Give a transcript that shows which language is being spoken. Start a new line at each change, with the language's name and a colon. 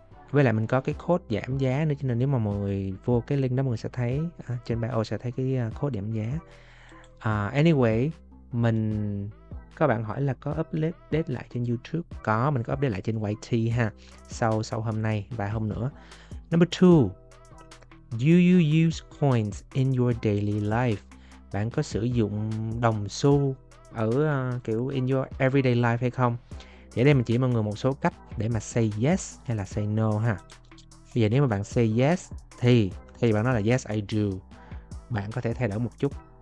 Vietnamese: Với lại mình có cái code giảm giá nữa, cho nên nếu mà mọi người vô cái link đó mọi người sẽ thấy, trên bio sẽ thấy cái code giảm giá. Anyway, mình có bạn hỏi là có update lại trên YouTube. Có, mình có update lại trên YT ha. Sau hôm nay, vài hôm nữa.
English: Number 2, do you use coins in your daily life?
Vietnamese: Bạn có sử dụng đồng xu ở kiểu
English: in your everyday life
Vietnamese: hay không? Thì ở đây mình chỉ mọi người một số cách để mà
English: say yes
Vietnamese: hay là
English: say no
Vietnamese: ha. Bây giờ nếu mà bạn
English: say yes
Vietnamese: thì thay vì bạn nói là
English: yes I do,
Vietnamese: bạn có thể thay đổi một chút.